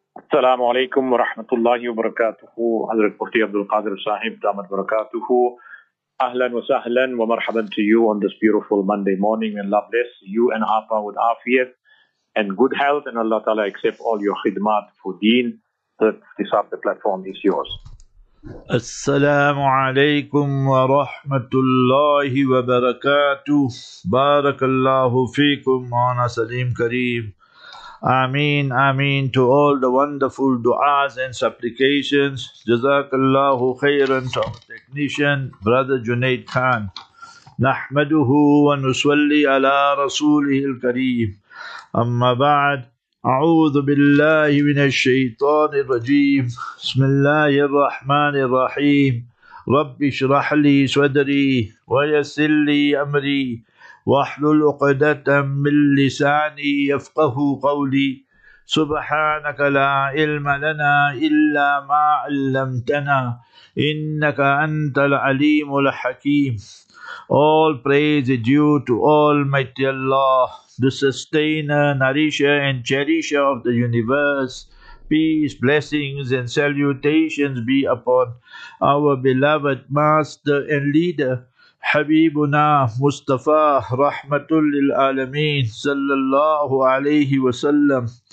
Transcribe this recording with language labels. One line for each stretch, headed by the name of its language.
Arabic: السلام عليكم ورحمة الله وبركاته. حضرة المفتي عبد القادر صاحب دام بركاته، أهلا وسهلا ومرحبا
English: to you on this beautiful Monday morning. And Allah bless you and Apa with afiyat and good health, and Allah Ta'ala accept all your khidmat for deen. This up the platform is yours.
Arabic: السلام عليكم ورحمة الله وبركاته. بارك الله فيكم وانا سليم كريم.
English: Ameen, ameen to all the wonderful du'as and supplications. Jazakallahu khairan to our technician, Brother Junaid Khan.
Arabic: Nahmaduhu wa nuswalli ala rasulihi al-kareem. Amma ba'd, a'udhu billahi min ash-shaytanir rajeem. Bismillahir rahmanir raheem. Rabbi shrah li swadri wa yassir li amri. واحلل عقدة من لساني يفقه قولي سبحانك لا علم لنا إلا ما علمتنا إنك أنت العليم الحكيم.
English: All praise is due to Almighty Allah, the sustainer, nourisher and cherisher of the universe. Peace, blessings and salutations be upon our beloved master and leader
Arabic: حبيبنا مصطفى رحمة للعالمين صلى الله عليه وسلم.